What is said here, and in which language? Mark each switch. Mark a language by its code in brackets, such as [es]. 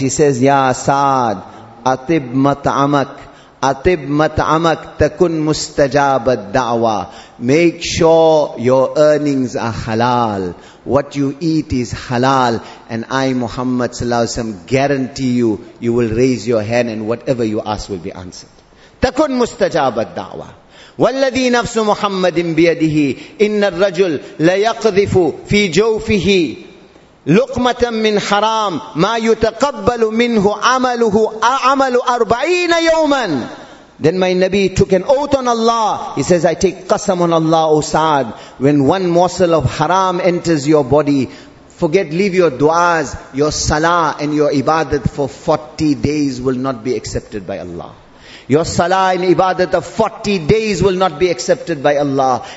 [en] He says, [ar] Ya Saad, atib mat'amak takun mustajabu da'wa. [en] Make sure your earnings are halal. What you eat is halal. And I, Muhammad sallallahu alaihi wasallam, guarantee you will raise your hand and whatever you ask will be answered. [ar] تكن مستجاب الدعوة والذي نفس محمد بيده إن الرجل ليقذف في جوفه لقمة من حرام ما يتقبل منه عمله عمل أربعين يوما. [en] Then my Nabi took an oath on Allah. He says, I take qasam on Allah, O Saad, when one morsel of haram enters your body, forget, leave your du'as, your salah and your ibadat for 40 days will not be accepted by Allah. Your salah and ibadat of 40 days will not be accepted by Allah.